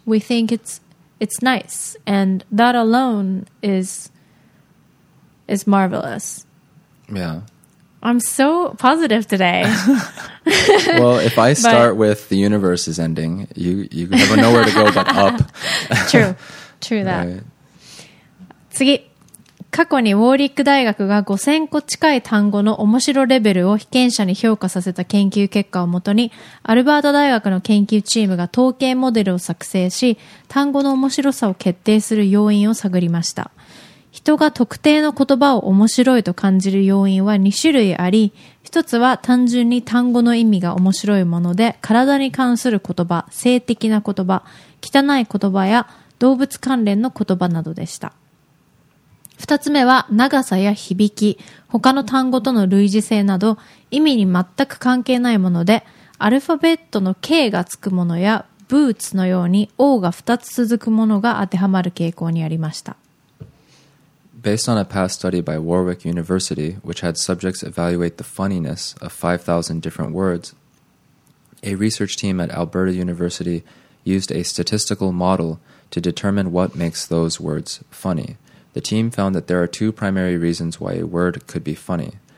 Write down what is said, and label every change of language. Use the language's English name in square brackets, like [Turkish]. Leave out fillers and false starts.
[English] We think it's nice. And that alone is marvelous. Yeah. I'm so positive today. Well, if I start but, with the universe is ending, you have nowhere to go but up. True. True that. Right. [Japanese] 次。過去にウォーリック大学が5000個近い単語の面白レベルを被験者に評価させた研究結果をもとに、アルバート大学の研究チームが統計モデルを作成し、単語の面白さを決定する要因を探りました。人が特定の言葉を面白いと感じる要因は2種類あり、一つは単純に単語の意味が面白いもので、体に関する言葉、性的な言葉、汚い言葉や動物関連の言葉などでした。二つ目は長さや響き、他の単語との類似性など意味に全く関係ないもので、アルファベットの K がつくものやブーツのように O が二つ続くものが当てはまる傾向にありました。 [English] Based on a past study by Warwick University, which had subjects evaluate the funniness of 5,000 different words, a research team at Alberta University used a statistical model to determine what makes those words funny. The team found that there are two primary reasons why a word could be funny.